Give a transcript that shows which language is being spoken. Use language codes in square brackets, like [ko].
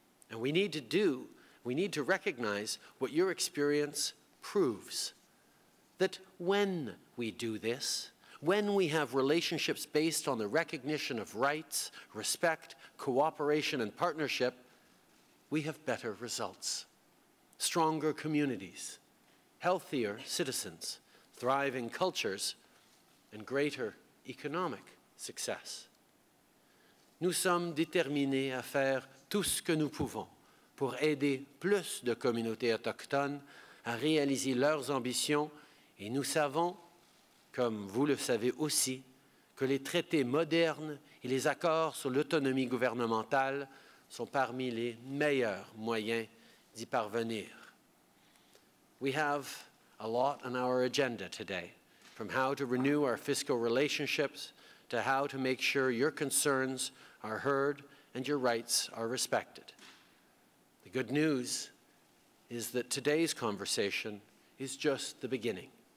[en] And we need to recognize what your experience proves, that when we do this, when we have relationships based on the recognition of rights, respect, cooperation, and partnership, we have better results, stronger communities, healthier citizens, thriving cultures, and greater economic success. [fr] Nous sommes déterminés à faire tout ce que nous pouvons pour aider plus de communautés autochtones à réaliser leurs ambitions, et nous savons, comme vous le savez aussi, que les traités modernes et les accords sur l'autonomie gouvernementale sont parmi les meilleurs moyens d'y parvenir. [en] We have a lot on our agenda today, from how to renew our fiscal relationships to how to make sure your concerns are heard and your rights are respected. The good news is that today's conversation is just the beginning.